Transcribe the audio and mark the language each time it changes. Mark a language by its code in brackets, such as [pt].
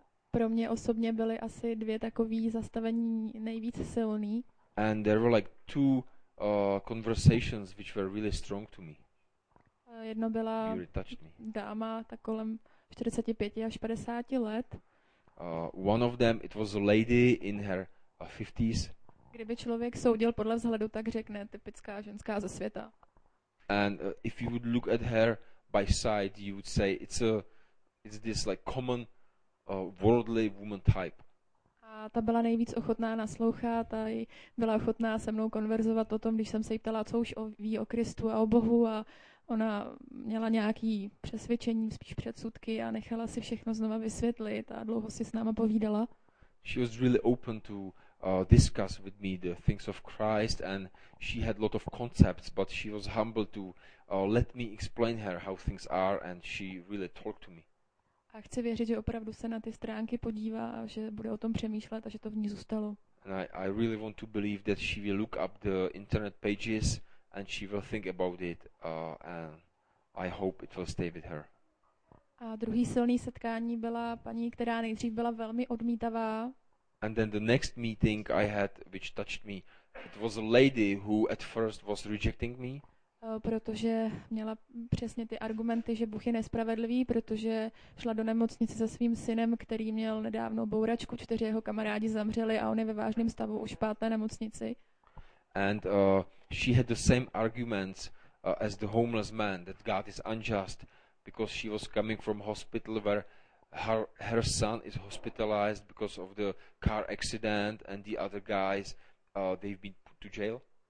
[cs] Pro mě osobně byly asi dvě takové zastavení nejvíc silný. [en] And there were like two conversations which were really strong to me. [cs] Jedno byla dáma tak kolem 45 až 50 let. [en] One of them it was a lady in her 50s. [cs] Kdyby člověk soudil podle vzhledu, tak řekne typická ženská ze světa. [en] And if you would look at her by side, you would say it's this like common worldly woman type. [cs] A ta byla nejvíc ochotná naslouchat a byla ochotná se mnou konverzovat o tom, když jsem se jí ptala, co už ví o Kristu a o Bohu a ona měla nějaký přesvědčení, spíš předsudky a nechala si všechno znova vysvětlit a dlouho si s náma povídala. [en] She was really open to discuss with me the things of Christ and she had a lot of concepts, but she was humble to let me explain her how things are and she really talked to me. [cs] A chci věřit, že opravdu se na ty stránky podívá, že bude o tom přemýšlet a že to v ní zůstalo. [en] And I really want to believe that she will look up the internet pages and she will think about it and I hope it will stay with her. [cs] A druhý silný setkání byla paní, která nejdřív byla velmi odmítavá. [en] And then the next meeting I had which touched me, it was a lady who at first was rejecting me. [cs] Protože měla přesně ty argumenty, že Bůh je nespravedlivý, protože šla do nemocnice se svým synem, který měl nedávno bouračku, čtyři jeho kamarádi zamřeli a on je ve vážném stavu už v páté nemocnici. [en] And she had the same arguments as the homeless man, that God is unjust, because she was coming from hospital where her son is hospitalized because of the car accident and the other guys, they've been put to jail.